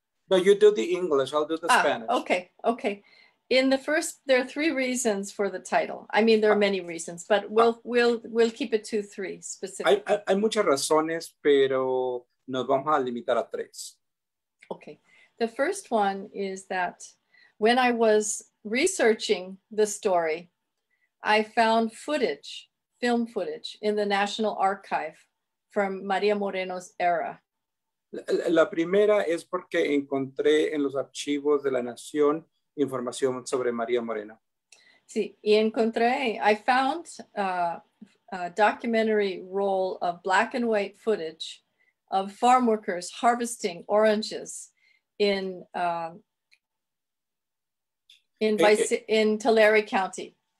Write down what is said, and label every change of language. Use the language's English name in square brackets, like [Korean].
[English] No, you do the English, I'll do the Spanish. Okay. In the first, there are three reasons for the title. I mean, there are many reasons, but we'll keep it to three specifically. [Spanish] Hay muchas razones, pero nos vamos a limitar a tres. [English] Okay. The first one is that when I was researching the story, I found footage, film footage, in the National Archive from María Moreno's era. [Spanish] La primera es porque encontré en los archivos de la Nación información sobre María Moreno. Sí, y encontré, [English] I found a documentary roll of black and white footage of farm workers harvesting oranges in Tulare County.